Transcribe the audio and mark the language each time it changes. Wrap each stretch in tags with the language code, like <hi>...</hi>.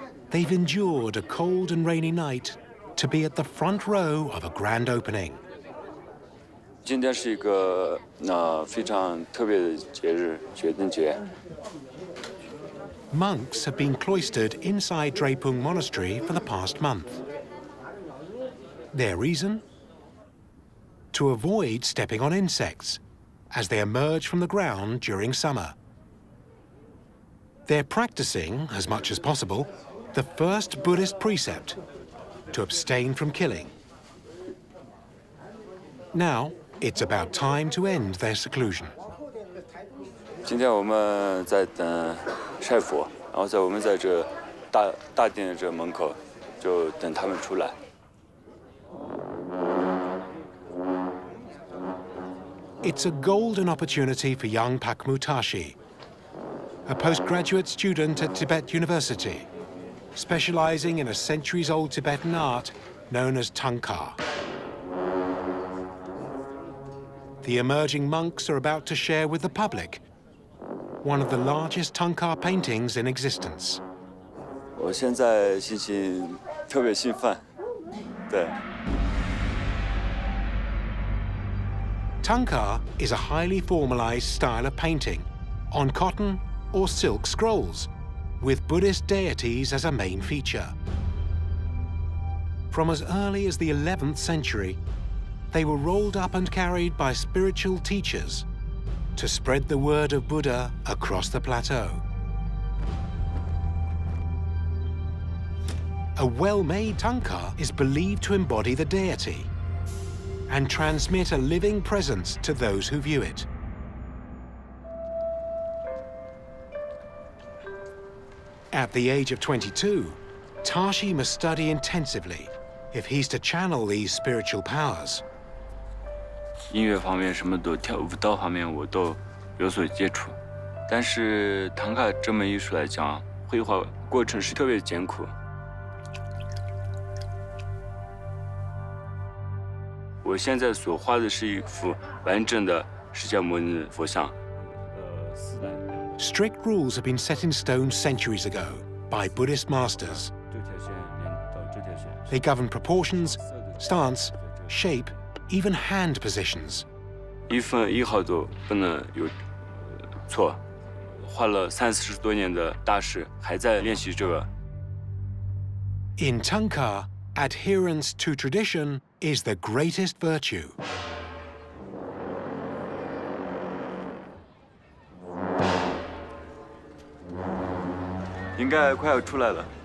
<en>They've endured a cold and rainy night to be at the front row of a grand opening.</en> <zh>今天是一个非常特别的节日，觉灯节。</zh> <en>Monks have been cloistered inside Drepung Monastery for the past month. Their reason? To avoid stepping on insects as they emerge from the ground during summer. They're practicing as much as possible. The first Buddhist precept, to abstain from killing. Now, it's about time to end their seclusion.</en> <zh>今天我们在等晒佛，然后在我们在这大殿的这门口，就等他们出来。</zh> <en>It's a golden opportunity for young Pak Mutashi, a postgraduate student at Tibet University. Specializing in a centuries-old Tibetan art known as tangkar. The emerging monks are about to share with the public one of the largest tangkar paintings in existence.</en> <zh>我现在心情特别兴奋，对。</zh> <en>Tangkar is a highly formalized style of painting on cotton or silk scrolls. With Buddhist deities as a main feature. From as early as the 11th century, they were rolled up and carried by spiritual teachers to spread the word of Buddha across the plateau. A well-made tangkar is believed to embody the deity and transmit a living presence to those who view it. At the age of 22, Tashi must study intensively if he's to channel these spiritual powers.</en> <zh>音乐方面什么都跳舞蹈方面我都有所接触，但是唐卡这门艺术来讲，绘画过程是特别艰苦。我现在所画的是一幅完整的释迦牟尼佛像。</zh> <en>Strict rules have been set in stone centuries ago by Buddhist masters. They govern proportions, stance, shape, even hand positions.</en> <zh>一分一毫都不能有错。画了30多年的大师还在练习这个。</zh> <en>In tangkar, adherence to tradition is the greatest virtue.</en> <zh>该快要出来了。</zh>